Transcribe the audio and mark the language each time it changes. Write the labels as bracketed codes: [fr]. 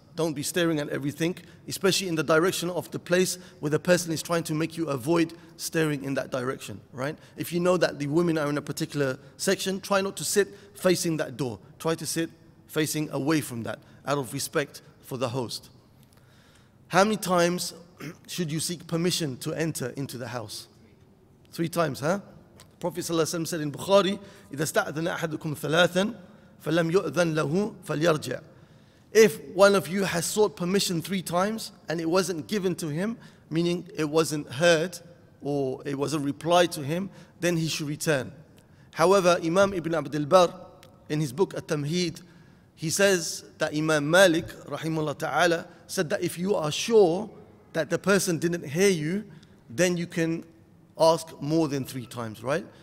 [en] Don't be staring at everything, especially in the direction of the place where the person is trying to make you avoid staring in that direction, right? If you know that the women are in a particular section, try not to sit facing that door. Try to sit facing away from that, out of respect for the host. How many times should you seek permission to enter into the house? Three times, huh? The Prophet ﷺ said in Bukhari, [ar] إِذَا اسْتَأْذَنَ أَحَدُكُمْ ثَلَاثًا فَلَمْ يُؤْذَنْ لَهُ فَلْيَرْجِعْ. [en] If one of you has sought permission three times and it wasn't given to him, meaning it wasn't heard or it wasn't replied to him, then he should return. However, Imam Ibn Abd al-Barr, in his book At-Tamheed, he says that Imam Malik, rahimahullah ta'ala, said that if you are sure that the person didn't hear you, then you can ask more than three times, right?